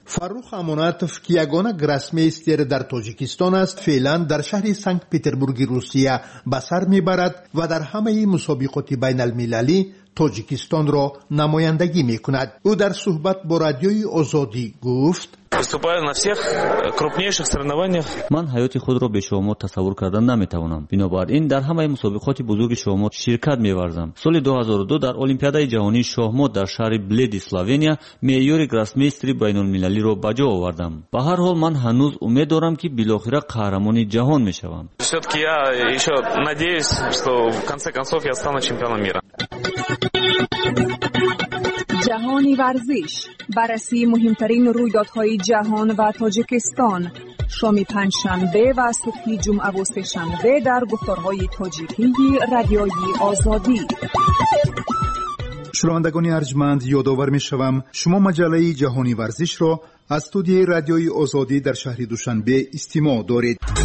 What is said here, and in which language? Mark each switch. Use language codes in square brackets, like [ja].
[fa] فرخ امانتوف که یگانه گراسمیستر در تاجیکستان است، فعلا در شهر سنگ پیتربورگ روسیه به سر می‌برد و در همه مسابقات بین‌المللی تاجیکستان را نمایندگی می‌کند. او در صحبت با رادیوی آزادی گفت: [ru] Выступаю на всех крупнейших соревнованиях. [tg] Ман ҳаёти худро бе шумо тасаввур кардан наметавонам. Бинобар ин дар ҳамаи мусобиқоти бузурги шумо ширкат меварзам. Соли 2002 дар олимпиадаи ҷаҳонии шоҳмот дар шаҳри Бледи, Словения, меъёри гроссмейстри байналмилалиро ба ҷо овардам. Ба ҳар ҳол ман ҳанӯз умед дорам, ки билохира қаҳрамони ҷаҳон мешавам. [ru] Всё-таки я ещё надеюсь, что в конце концов я стану чемпионом мира. [fa] جهانی ورزش، بررسی مهمترین رویدادهای جهان و تاجیکستان، شامی پنجشنبه و صبحی جمعه و سه‌شنبه در گفتارهای تاجیکی رادیویی آزادی. شنوندگان ارجمند، یادآور می‌شوم شما مجله جهانی ورزش را از استودیوی رادیویی آزادی در شهر دوشنبه استماع دارید.